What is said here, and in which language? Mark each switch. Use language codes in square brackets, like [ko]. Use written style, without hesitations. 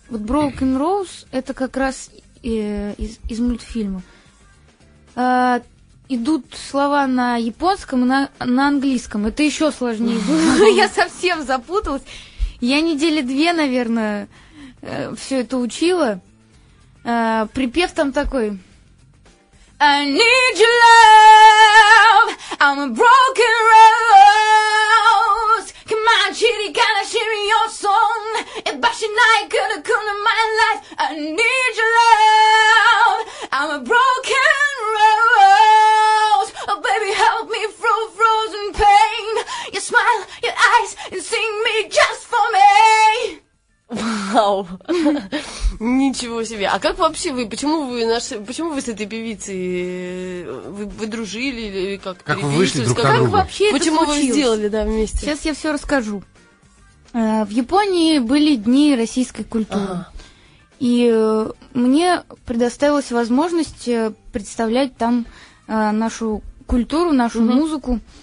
[ru] Вот Broken Rose — это как раз из мультфильма. Идут слова на японском и на английском. Это еще сложнее. Я совсем запуталась. Я недели две, наверное, все это учила. Припев там такой. [en] I need your love, I'm a broken rose. Come on, chiri, gotta share your song. Ebashi nai, gotta come to my life. I need your love, I'm a broken rose. Oh, baby, help me through frozen pain. Your smile, your eyes, and sing me just for me. [ru] Вау! Ничего себе! А как вообще вы? Почему вы почему вы с этой певицей? Вы дружили или как? Как вы вышли друг на друга? Как вообще это случилось? Почему вы сделали, да, вместе? Сейчас я все расскажу. В Японии были дни российской культуры. И мне предоставилась возможность представлять там нашу культуру, нашу музыку.